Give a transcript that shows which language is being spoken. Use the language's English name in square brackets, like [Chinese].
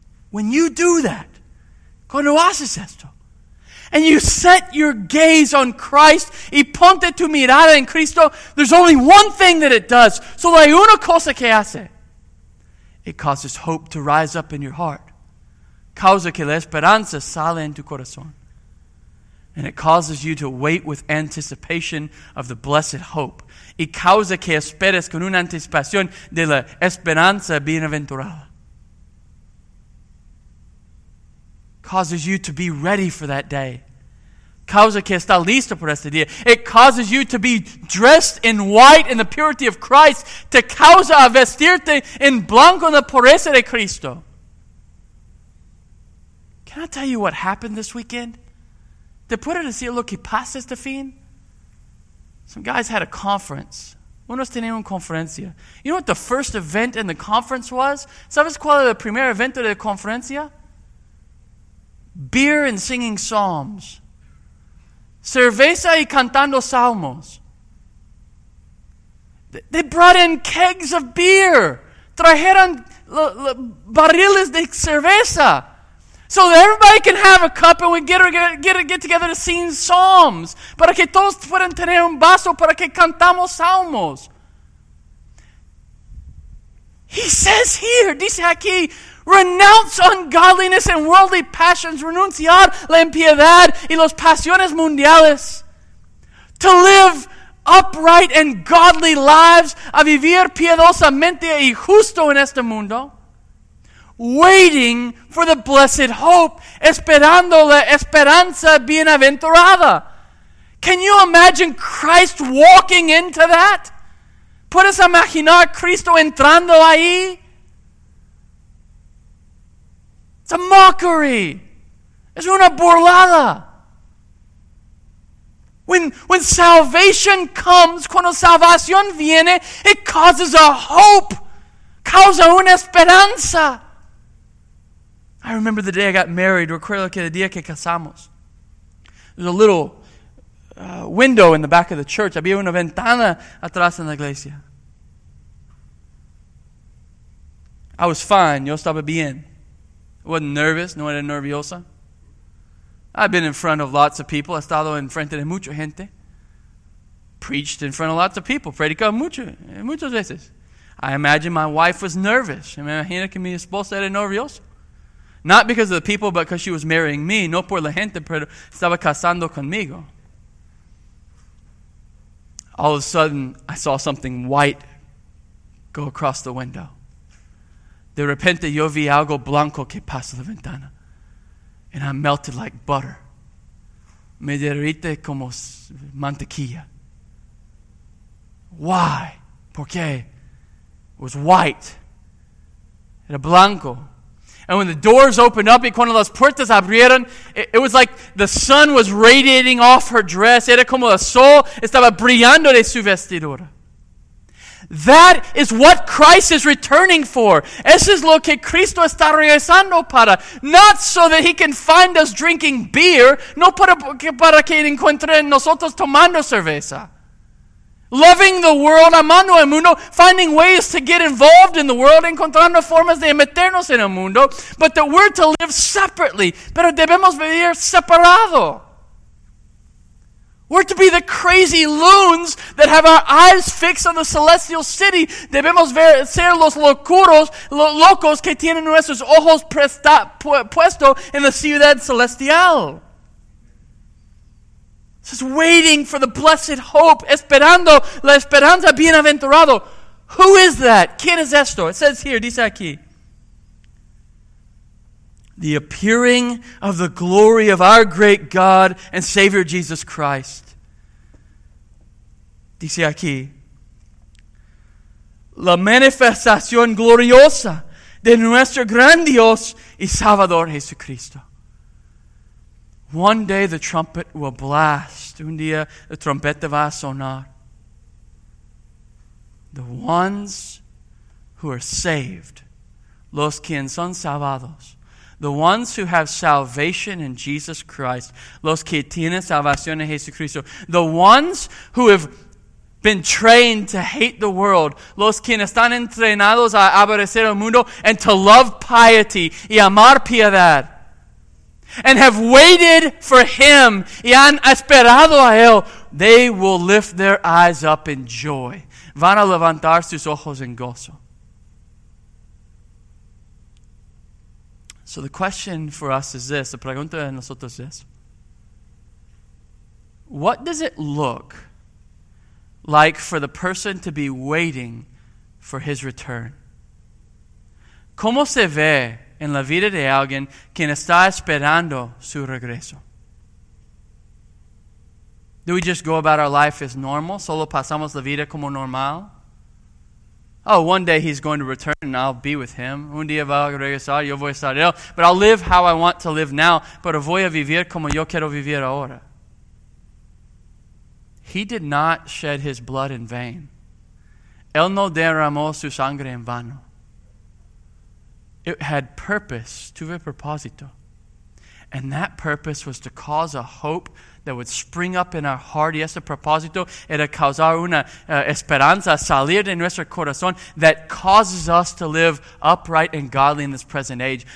[English] When you do that, [Spanish] cuando haces esto, [English] and you set your gaze on Christ [Spanish] y ponte tu mirada en Cristo, [English] there's only one thing that it does. [Spanish] Solo hay una cosa que hace. [English] It causes hope to rise up in your heart. [Spanish] Causa que la esperanza sale en tu corazón. [English] And it causes you to wait with anticipation of the blessed hope. [Spanish] Y causa que esperes con una anticipación de la esperanza bienaventurada. [English] Causes you to be ready for that day. [Spanish] Causa que está listo por este día. [English] It causes you to be dressed in white in the purity of Christ. [Spanish] Te causa a vestirte en blanco en la pureza de Cristo. [English] Can I tell you what happened this weekend? [Spanish] ¿Te puedo decir lo que pasa este fin? [English] Some guys had a conference. [Spanish] Unos tenían una conferencia. [English] You know what the first event in the conference was? [Spanish] ¿Sabes cuál era el primer evento de la conferencia? [English] Beer and singing psalms. [Spanish] Cerveza y cantando salmos. [English] They brought in kegs of beer. [Spanish] Trajeron barriles de cerveza. [English] So that everybody can have a cup and we get together to sing psalms. [Spanish] Para que todos puedan tener un vaso para que cantamos salmos. [English] He says here, [Spanish] dice aquí, [English] renounce ungodliness and worldly passions, [Spanish] renunciar la impiedad y las pasiones mundiales, [English] to live upright and godly lives, [Spanish] a vivir piedosamente y justo en este mundo, [English] waiting for the blessed hope, [Spanish] esperando la esperanza bienaventurada. [English] Can you imagine Christ walking into that? [Spanish] ¿Puedes imaginar Cristo entrando ahí? [English] It's a mockery. [Spanish] Es una burlada. [English] When salvation comes, [Spanish] cuando salvación viene, [English] it causes a hope. [Spanish] Causa una esperanza. [English] I remember the day I got married. [Spanish] Recuerdo que el día que casamos. [English] There's a little window in the back of the church. [Spanish] Había una ventana atrás en la iglesia. [English] I was fine. [Spanish] Yo estaba bien. [English] I wasn't nervous. [Spanish] No era nerviosa. [English] I've been in front of lots of people. [Spanish] He estado en frente de mucha gente. [English] Preached in front of lots of people. [Spanish] Predicado muchas veces. [English] I imagine my wife was nervous. [Spanish] Me imagino que mi esposa era nerviosa. [English] Not because of the people, but because she was marrying me. [Spanish] No por la gente, pero estaba casando conmigo. [English] All of a sudden, I saw something white go across the window. [Spanish] De repente, yo vi algo blanco que pasó la ventana. [English] And I melted like butter. [Spanish] Me derrite como mantequilla. [English] Why? [Spanish] Porque [English] it was white. [Spanish] Era blanco. [English] And when the doors opened up, [Spanish] y cuando las puertas abrieron, [English] it was like the sun was radiating off her dress. [Spanish] Era como el sol estaba brillando de su vestidura. [English] That is what Christ is returning for. [Spanish] Eso es lo que Cristo está regresando para. [English] Not so that he can find us drinking beer. [Spanish] No para que encuentre nosotros tomando cerveza. [English] Loving the world, [Spanish] amando el mundo, [English] finding ways to get involved in the world, [Spanish] encontrando formas de meternos en el mundo, [English] but that we're to live separately. [Spanish] Pero debemos vivir separado. [English] We're to be the crazy loons that have our eyes fixed on the celestial city. [Spanish] Debemos ser los locuros, locos que tienen nuestros ojos puestos en la ciudad celestial. [English] It says, waiting for the blessed hope, [Spanish] esperando la esperanza bienaventurado. [English] Who is that? [Spanish] ¿Quién es esto? [English] It says here, [Spanish] dice aquí. [English] The appearing of the glory of our great God and Savior Jesus Christ. [Spanish] Dice aquí. La manifestación gloriosa de nuestro gran Dios y Salvador Jesucristo. [English] One day the trumpet will blast. [Spanish] Un día la trompeta va a sonar. [English] The ones who are saved. [Spanish] Los quien son salvados. [English] The ones who have salvation in Jesus Christ. [Spanish] Los que tienen salvación en Jesucristo. [English] The ones who have been trained to hate the world. [Spanish] Los quienes están entrenados a aborrecer el mundo [English] and to love piety [Spanish] y amar piedad. [English] And have waited for him [Spanish] y han esperado a él. [English] They will lift their eyes up in joy. [Spanish] Van a levantar sus ojos en gozo. [English] So the question for us is this. [Spanish] La pregunta de nosotros es. [English] What does it look like for the person to be waiting for his return? [Spanish] ¿Cómo se ve en la vida de alguien quien está esperando su regreso? [English] Do we just go about our life as normal? [Spanish] ¿Solo pasamos la vida como normal? [English] Oh, one day he's going to return and I'll be with him. [Spanish] Un día va a regresar, yo voy a estar él. [English] But I'll live how I want to live now, [Spanish] pero voy a vivir como yo quiero vivir ahora. [English] He did not shed his blood in vain. [Spanish] Él no derramó su sangre en vano. [English] It had purpose, [Spanish] tuve propósito. [English] And that purpose was to cause a hope that would spring up in our heart. [Spanish] Y ese propósito era causar una esperanza, salir de nuestro corazón, [English] that causes us to live upright and godly in this present age.